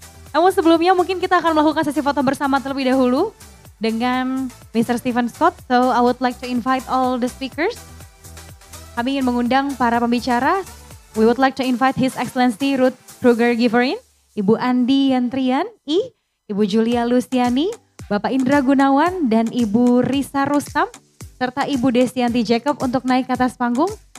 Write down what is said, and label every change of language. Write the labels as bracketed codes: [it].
[id] Namun sebelumnya mungkin kita akan melakukan sesi foto bersama terlebih dahulu dengan Mr. Stephen Scott. [en] So I would like to invite all the speakers. [id] Kami ingin mengundang para pembicara. [en] We would like to invite His Excellency Ruth Kruger Giverin, Ibu Andi Yantrian, Ibu Julia Lusiani, Bapak Indra Gunawan, dan Ibu Risa Rustam, serta Ibu Destianti Jacob [id] untuk naik ke atas panggung.